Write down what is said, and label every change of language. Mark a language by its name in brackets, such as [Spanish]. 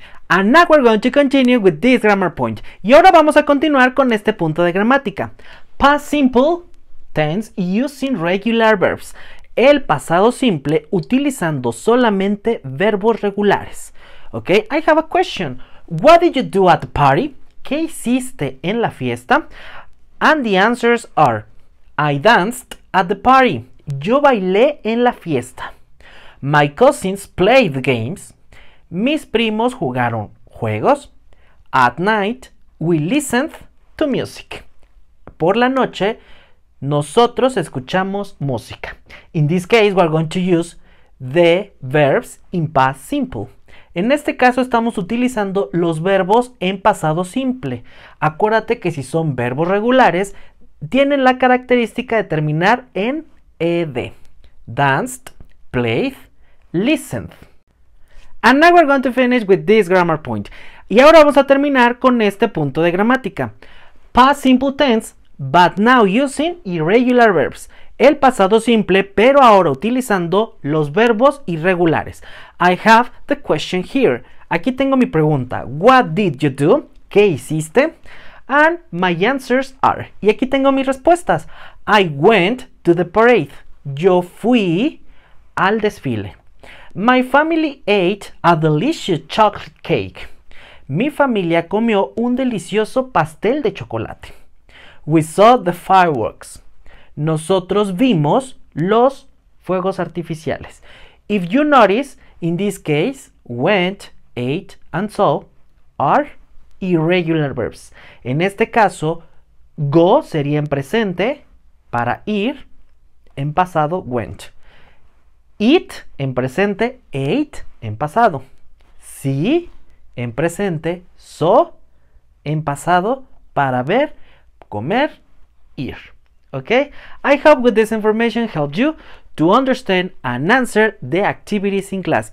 [English] And now we're going to continue with this grammar point. [Spanish] Y ahora vamos a continuar con este punto de gramática. [English] Past simple tense using regular verbs. [Spanish] El pasado simple utilizando solamente verbos regulares. [English] Ok, I have a question. What did you do at the party? [Spanish] ¿Qué hiciste en la fiesta? [English] And the answers are, I danced at the party. [Spanish] Yo bailé en la fiesta. [English] My cousins played games. [Spanish] Mis primos jugaron juegos. [English] At night, we listened to music. [Spanish] Por la noche, nosotros escuchamos música. [English] In this case, we're going to use the verbs in past simple. [Spanish] En este caso estamos utilizando los verbos en pasado simple. Acuérdate que si son verbos regulares, tienen la característica de terminar en ed. [English] Danced, played, listened. And now we're going to finish with this grammar point. [Spanish] Y ahora vamos a terminar con este punto de gramática. [English] Past simple tense, but now using irregular verbs. [Spanish] El pasado simple, pero ahora utilizando los verbos irregulares. [English] I have the question here. [Spanish] Aquí tengo mi pregunta. [English] What did you do? [Spanish] ¿Qué hiciste? [English] And my answers are, [Spanish] y aquí tengo mis respuestas. [English] I went to the parade. [Spanish] Yo fui al desfile. [English] My family ate a delicious chocolate cake. [Spanish] Mi familia comió un delicioso pastel de chocolate. [English] We saw the fireworks. [Spanish] Nosotros vimos los fuegos artificiales. [English] If you notice, in this case, went, ate, and saw are irregular verbs. [Spanish] En este caso, go sería en presente para ir, en pasado went. Eat en presente, ate en pasado. See en presente, saw en pasado para ver, comer, ir. [English] Ok, I hope with this information helped you to understand and answer the activities in class.